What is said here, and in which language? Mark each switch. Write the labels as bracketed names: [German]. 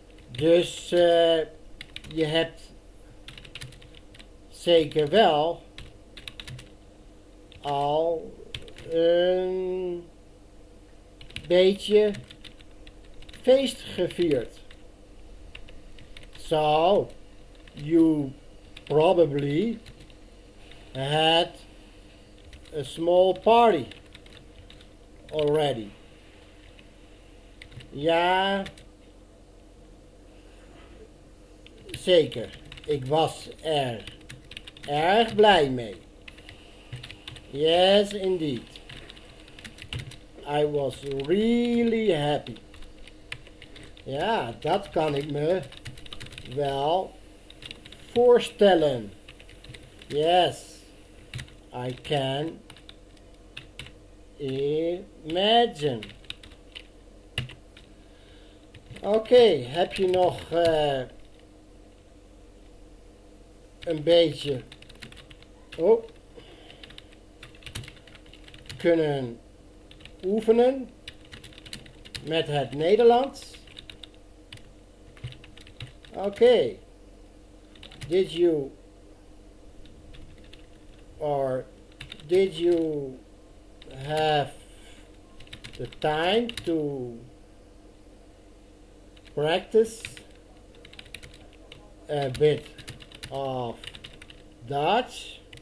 [Dutch] Dus je hebt zeker wel al een beetje feest gevierd. [English] So, you probably had a small party already. [Dutch] Ja, zeker. Ik was er erg blij mee. [English] Yes, indeed. I was really happy. [Dutch] Ja, dat kan ik me wel voorstellen. [English] Yes, I can imagine. [Dutch] Okay, heb je nog een beetje kunnen oefenen met het Nederlands? [English] Okay, did you have the time to practice a bit of Dutch?